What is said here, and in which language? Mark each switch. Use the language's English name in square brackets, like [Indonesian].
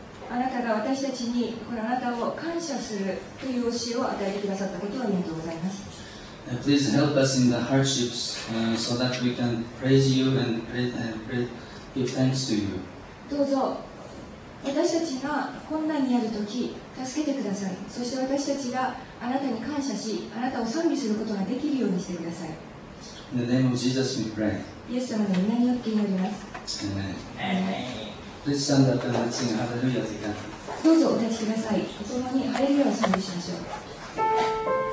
[Japanese] あなたが私たちにこのあなたを感謝するという教えを与えてくださったことをありがとうございます。 [English] Please help us in the hardships so that we can praise you and give thanks to you. [Japanese] どうぞ私たちが困難にある時助けてください。そして私たちがあなたに感謝しあなたを賛美することができるようにしてください。 [English] In the name of Jesus we pray. [Japanese] イエス様の皆によって祈ります。 [English] Amen. Please stand up and sing Hallelujah together. [Japanese] どうぞお立ちください。共にハレルヤを賛美しましょう。